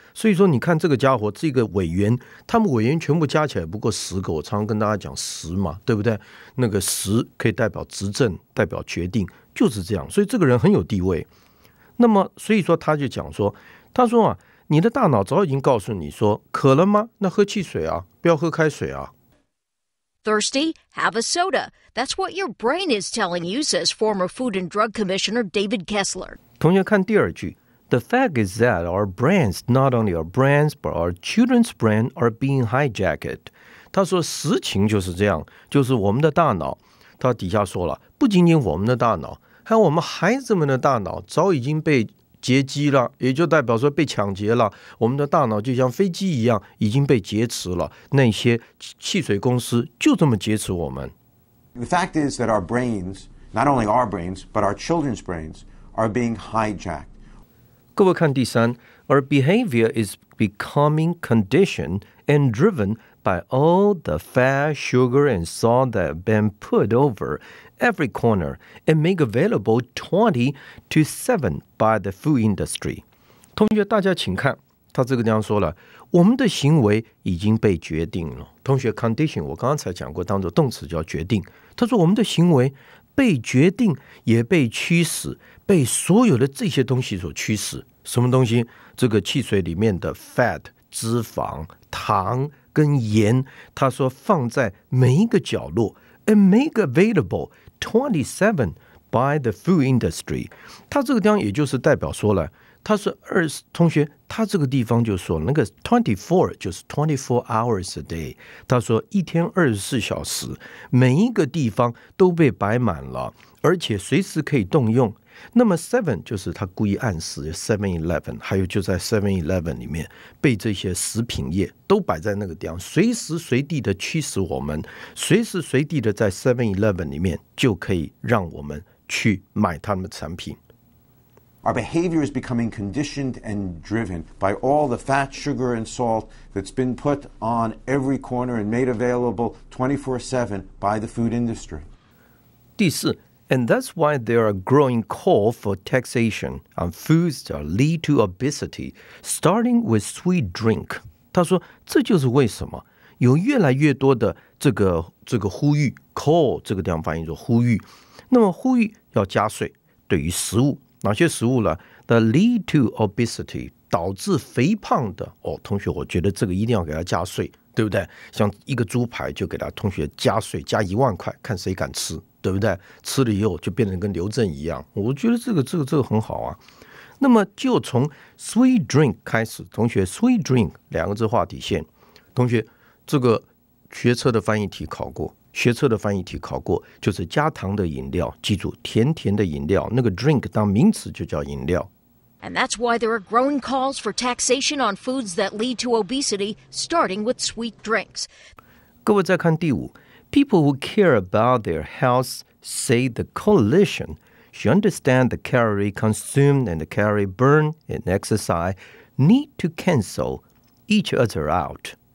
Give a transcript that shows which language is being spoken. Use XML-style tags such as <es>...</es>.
<zh>所以说你看这个家伙，这个委员，他们委员全部加起来不过十个，我常常跟大家讲十嘛，对不对？那个十可以代表执政，代表决定，就是这样。所以这个人很有地位。那么所以说他就讲说，他说啊，你的大脑早已经告诉你说，渴了吗？那喝汽水啊，不要喝开水啊。</zh> <en>Thirsty? Have a soda. That's what your brain is telling you, says former Food and Drug Commissioner David Kessler.</en> <zh>同学看第二句。</zh> <en>The fact is that our brains, not only our brains, but our children's brains are being hijacked.</en> <zh>他说实情就是这样，就是我们的大脑，他底下说了，不仅仅我们的大脑，还有我们孩子们的大脑早已经被劫机了，也就代表说被抢劫了。我们的大脑就像飞机一样已经被劫持了，那些汽水公司就这么劫持我们。</zh> <en>The fact is that our brains, not only our brains, but our children's brains are being hijacked.</en> <zh>各位看第三，</zh> <en>Our behavior is becoming conditioned and driven by all the fat, sugar and salt that have been put overEvery corner and make available 24/7 by the food industry.</en> <zh>同学，大家请看，他这个地方说了，我们的行为已经被决定了。同学 ，condition 我刚才讲过，当作动词叫决定。他说我们的行为被决定，也被驱使，被所有的这些东西所驱使。什么东西？这个汽水里面的 fat 脂肪、糖跟盐，他说放在每一个角落</zh> <en>and make available。 27 by the food industry，</en> <zh>他这个地方也就是代表说了，他是二十，同学，他这个地方就说那个24就是</zh> <en>24 hours a day，</en> <zh>他说一天24小时，每一个地方都被摆满了，而且随时可以动用。那么7就是他故意暗示 7-11， 还有就在 7-11 里面被这些食品业都摆在那个地方，随时随地的驱使我们，随时随地的在 7-11 里面就可以让我们去买他们的产品。</zh> <en>Our behavior is becoming conditioned and driven by all the fat, sugar and salt that's been put on every corner and made available 24/7 by the food industry.</en> <zh>第四，</zh> <en>And that's why there are growing call for taxation on foods that lead to obesity, starting with sweet drink.</en> <zh>他说这就是为什么有越来越多的这个呼吁 call， 这个地方翻译作呼吁。那么呼吁要加税，对于食物，哪些食物呢？</zh> <en>That lead to obesity，</en> <zh>导致肥胖的。哦，同学，我觉得这个一定要给他加税，对不对？像一个猪排就给他同学加税，加10,000块，看谁敢吃。对不对？吃了以后就变成跟刘鎮一样，我觉得这个很好啊。那么就从 sweet drink 开始，同学 ，sweet drink 两个字画底线。同学，这个学测的翻译题考过，就是加糖的饮料，记住甜甜的饮料，那个 drink 当名词就叫饮料。</zh> <en>And that's why there are growing calls for taxation on foods that lead to obesity, starting with sweet drinks.</en> <zh>各位再看第五。</zh> <en>People who care about their health say the coalition should understand the calorie consumed and the calorie burned in exercise need to cancel each other out.</en>